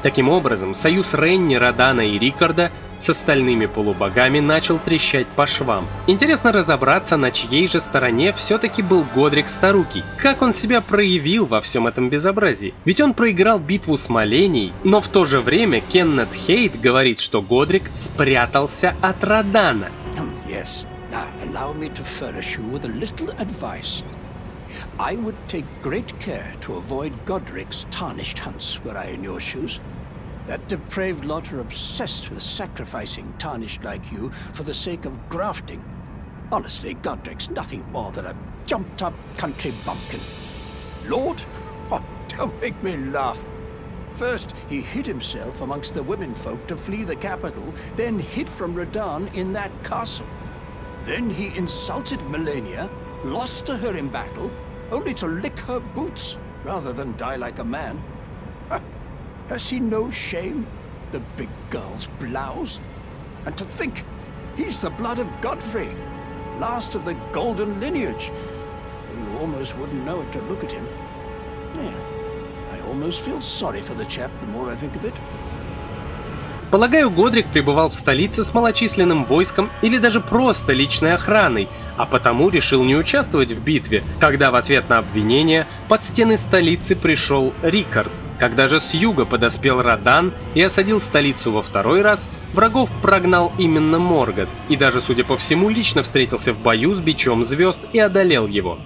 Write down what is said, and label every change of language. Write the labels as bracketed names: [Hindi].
[Russian] Таким образом, союз Ренни, Радана и Рикарда с остальными полубогами начал трещать по швам. Интересно разобраться, на чьей же стороне все-таки был Годрик Старукий. Как он себя проявил во всем этом безобразии? Ведь он проиграл битву с Малений, но в то же время Кеннет Хейт говорит, что Годрик спрятался от Радана. [English] Yes. Now, allow me to furnish you with a little advice. I would take great care to avoid Godric's tarnished hunts, were I in your shoes. That depraved lot are obsessed with sacrificing tarnished like you for the sake of grafting. Honestly, Godric's nothing more than a jumped-up country bumpkin. Lord? Oh, don't make me laugh. First, he hid himself amongst the womenfolk to flee the capital, then hid from Radahn in that castle. Then he insulted Melania, lost to her in battle, only to lick her boots rather than die like a man. Has he no shame, the big girl's blouse? And to think, he's the blood of Godfrey, last of the golden lineage. You almost wouldn't know it to look at him. Yeah, I almost feel sorry for the chap the more I think of it. [Russian] Полагаю, Годрик пребывал в столице с малочисленным войском или даже просто личной охраной, а потому решил не участвовать в битве, когда в ответ на обвинение под стены столицы пришел Рикард. Когда же с юга подоспел Радан и осадил столицу во второй раз, врагов прогнал именно Моргот, и даже, судя по всему, лично встретился в бою с бичом звезд и одолел его.